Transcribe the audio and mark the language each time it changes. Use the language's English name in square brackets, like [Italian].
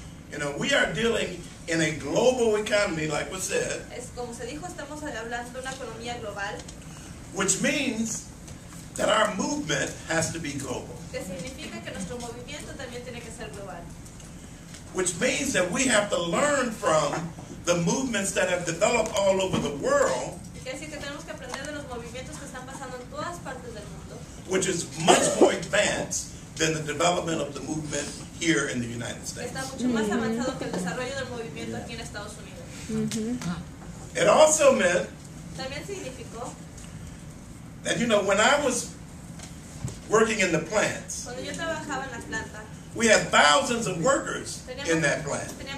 [English] You know, we are dealing in a global economy, like we said. [Spanish] Es como se dijo, estamos hablando de una economía global. [English] Which means that our movement has to be global. [Spanish] Que significa que nuestro movimiento también tiene que ser global. [English] Which means that we have to learn from the movements that have developed all over the world. [Spanish] Que así que tenemos que aprender de los movimientos que están pasando en todas partes del mundo. [English] Which is much more advanced than the development of the movement here in the United States. [Spanish] Está mucho más avanzado que el desarrollo del movimiento aquí en Estados Unidos. [English] Mm-hmm. It also meant [Spanish] también significó [English] that, you know, when I was working in the plants, [Spanish] cuando yo trabajaba en la planta, [English] We have thousands of workers in that plant.